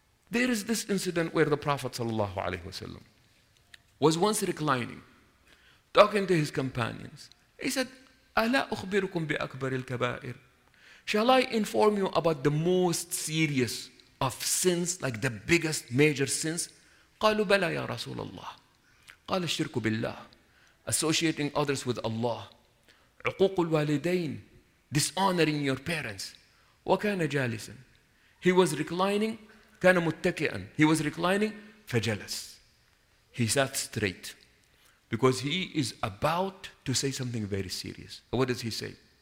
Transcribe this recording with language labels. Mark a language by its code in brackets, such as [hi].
[en] There is this incident where the Prophet ﷺ was once reclining, talking to his companions. He said, [ar] أَلَا أُخْبِرُكُمْ بِأَكْبَرِ الْكَبَائِرِ [en] Shall I inform you about the most serious of sins, like the biggest major sins? [ar] قَالُوا بَلَا يَا رَسُولَ اللَّهِ قَالَ الشِّرْكُ بِاللَّهِ [en] Associating others with Allah. [ar] عُقُوقُ الْوَالِدَيْنِ [en] Dishonoring your parents. [ar] وَكَانَ جَالِسًا [en] He was reclining. [ar] كَانَ مُتَّكِئًا [en] He was reclining. [ar] فَجَلَسْ [en] He sat straight. Because he is about to say something very serious. What does he say?